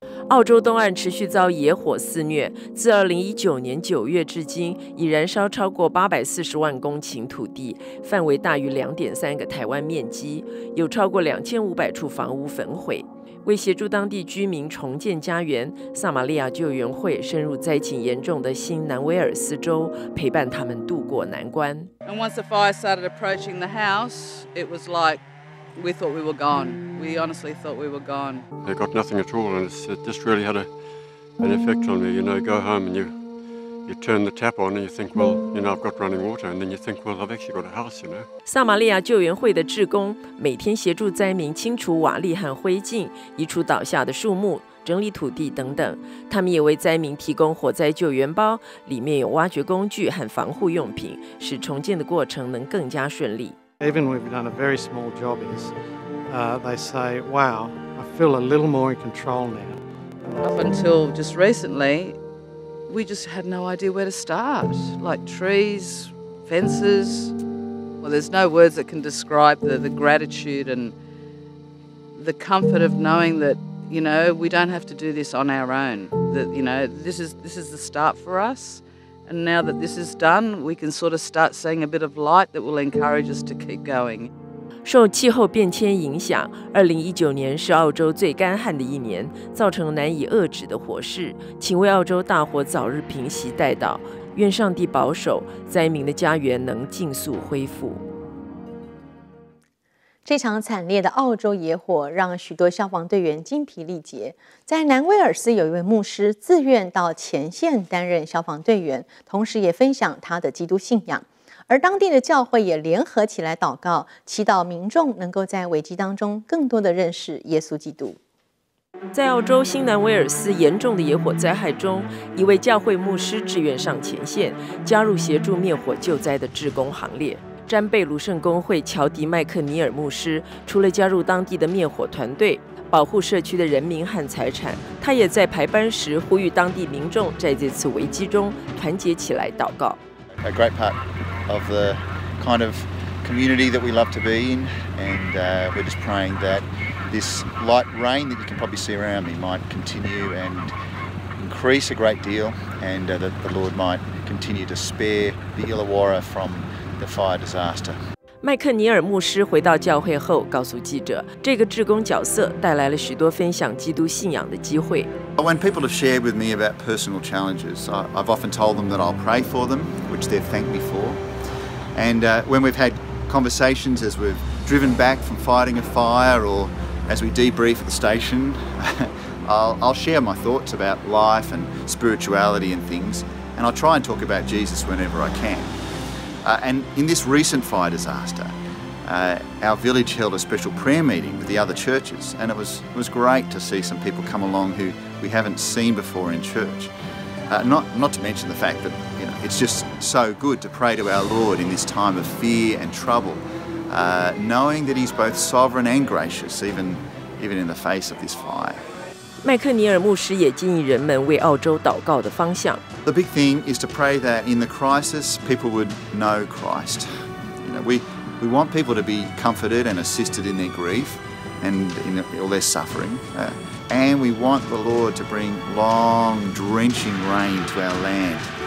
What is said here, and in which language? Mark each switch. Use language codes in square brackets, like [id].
[zh] 澳洲东岸持续遭野火肆虐，自2019年9月至今已燃烧超过840万公顷土地，范围大于 2.3 个台湾面积，有超过2500处房屋焚毁。为协助当地居民重建家园，撒玛利亚救援会深入灾情严重的新南威尔斯州，陪伴他们渡过难关。 [en] And once the fire started approaching the house, it was like we thought we were gone. We honestly thought we were gone. They got nothing at all, and it just really had an effect on me. You know, go home and you turn the tap on and you think, well, you know, I've got running water, and then you think, well, I've actually got a house, you know. [zh] 撒玛利亚救援会的志工每天协助灾民清除瓦砾和灰烬，移除倒下的树木，整理土地等等。他们也为灾民提供火灾救援包，里面有挖掘工具和防护用品，使重建的过程能更加顺利。 [en] Even we've done a very small job, is they say, wow, I feel a little more in control now. Up until just recently. We just had no idea where to start. Like trees, fences. Well, there's no words that can describe the gratitude and the comfort of knowing that, you know, we don't have to do this on our own. That, you know, this is the start for us. And now that this is done, we can sort of start seeing a bit of light that will encourage us to keep going. [zh] 受气候变迁影响，2019年是澳洲最干旱的一年，造成难以遏止的火势，请为澳洲大火早日平息带祷，愿上帝保守灾民的家园能尽速恢复。这场惨烈的澳洲野火让许多消防队员精疲力竭，在南威尔斯有一位牧师自愿到前线担任消防队员，同时也分享他的基督信仰，而当地的教会也联合起来祷告，祈祷民众能够在危机当中更多的认识耶稣基督。在澳洲新南威尔斯严重的野火灾害中，一位教会牧师志愿上前线，加入协助灭火救灾的志工行列。詹贝鲁圣公会乔迪麦克尼尔牧师除了加入当地的灭火团队，保护社区的人民和财产，他也在排班时呼吁当地民众在这次危机中团结起来祷告。 [en] A great part of the kind of community that we love to be in, and we're just praying that this light rain that you can probably see around me might continue and increase a great deal, and that the Lord might continue to spare the Illawarra from the fire disaster. [zh] 麦克尼尔牧师回到教会后告诉记者，这个志工角色带来了许多分享基督信仰的机会。 [en] When people have shared with me about personal challenges, I've often told them that I'll pray for them, which they've thanked me for. And when we've had conversations as we've driven back from fighting a fire or as we debrief at the station, I'll share my thoughts about life and spirituality and things, and I'll try and talk about Jesus whenever I can. And in this recent fire disaster, our village held a special prayer meeting with the other churches, and it was great to see some people come along who we haven't seen before in church. Not to mention the fact that, you know, it's just so good to pray to our Lord in this time of fear and trouble, knowing that He's both sovereign and gracious, even in the face of this fire. [zh] 麦克尼尔牧师也建议人们为澳洲祷告的方向。 [en] The big thing is to pray that in the crisis, people would know Christ. You know, we want people to be comforted and assisted in their grief and in all their suffering. And we want the Lord to bring long, drenching rain to our land.